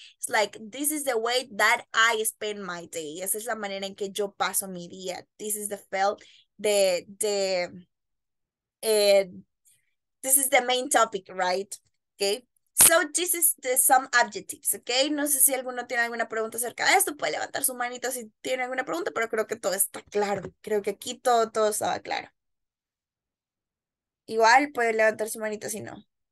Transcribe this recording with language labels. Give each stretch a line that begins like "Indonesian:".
English: It's like, this is the way that I spend my day.
Spanish: Esa es la manera en que yo paso mi día.
English: This is the felt, this is the main topic, right? Okay? So this is the some adjectives, okay?
Spanish: No sé si alguno tiene alguna pregunta acerca de esto. Puede levantar su manito si tiene alguna pregunta, pero creo que todo está claro. Creo que aquí todo estaba claro. Igual puede levantar su manito si no.